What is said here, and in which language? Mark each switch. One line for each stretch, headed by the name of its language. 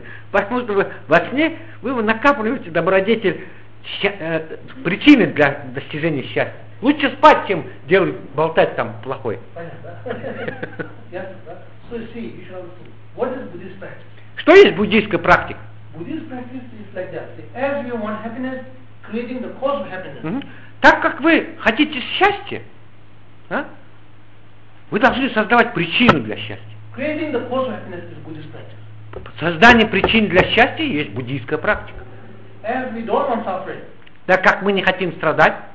Russian: Потому что вы, во сне вы накапливаете добродетель, причины для достижения счастья. Лучше спать, чем делать, болтать там плохое. Понятно, да? Ясно, да?
English: So see, what is
Russian: что есть буддийская практика? Буддийская практика
English: is like that. See, as you want happiness, creating the cause of happiness.
Russian: Так как вы хотите счастья, а? Вы должны создавать причину для счастья.
English: Creating the cause of happiness is Buddhist practice.
Russian: Создание причин для счастья есть буддийская практика.
English: As we don't want suffering.
Russian: Так как мы не хотим страдать.